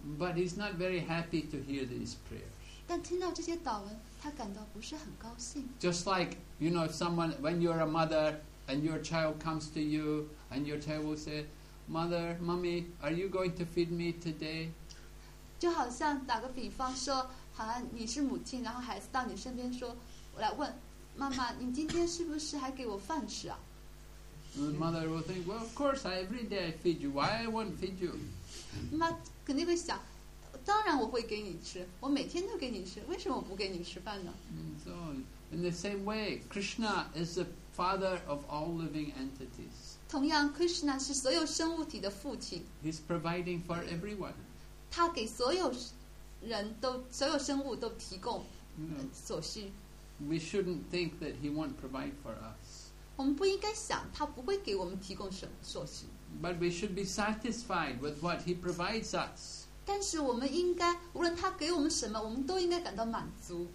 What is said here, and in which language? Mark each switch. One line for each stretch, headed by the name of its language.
English: But he's not very happy to hear these prayers.
Chinese: 但听到这些祷文，他感到不是很高兴。
English: Just like you know, someone when you're a mother. And your child comes to you, and your child will say, "Mother, mommy, are you going to feed me today?"
Chinese: 就好像打个比方说，好像你是母亲，然后孩子到你身边说，我来问，妈妈，你今天是不是还给我饭吃啊？
English: The mother will think, "Well, of course, every day I feed you. Why I won't feed you?"
Chinese: 妈肯定会想，当然我会给你吃，我每天都给你吃，为什么我不给你吃饭呢？
English: So, in the same way, Krishna is aFather of all living entities.
Chinese: 同样 ，Krishna 是所有生物体的父亲。
English: He's providing for everyone.
Chinese: 他给所有人都所有生物都提供所需。
English: We shouldn't think that he won't provide for us.
Chinese: 我们不应该想他不会给我们提供什么所需。
English: But we should be satisfied with what he provides us.
Chinese: 但是我们应该无论他给我们什么，我们都应该感到满足。